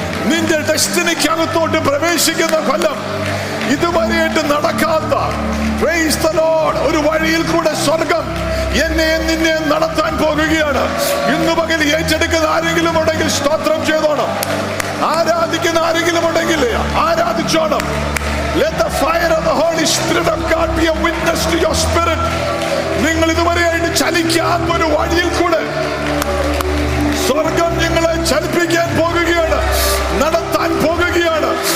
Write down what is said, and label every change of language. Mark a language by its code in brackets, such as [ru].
[ml] നിന്റെ ഡെസ്റ്റിനിക്ക് അകത്തോട്ട് പ്രവേശിക്കുന്ന കൊല്ലം. ഇതുവരെയായിട്ട് നടക്കാത്ത, [en] praise the lord, [ml] ഒരു വഴിയിൽ കൂടെ സ്വർഗം എന്നെയും നിന്നെയും നടത്താൻ പോകുകയാണ്. ഇന്ന് പകല് ഏറ്റെടുക്കുന്ന ആരെങ്കിലും ഉണ്ടെങ്കിൽ സ്തോത്രം ചെയ്തോണം. ആരാധിക്കുന്ന ആരെങ്കിലും ഉണ്ടെങ്കിൽ ആരാധിച്ചോണം. [en] Let the fire of the Holy Spirit of God be a witness to your spirit. [ml] നിങ്ങൾ ഇതുവരെയായിട്ട് ചലിക്കാത്ത ഒരു വഴിയിൽ കൂടെ സ്വർഗം നിങ്ങളെ ചലിപ്പിക്കാൻ പോകുകയാണ്, നടത്താൻ പോകുകയാണ്.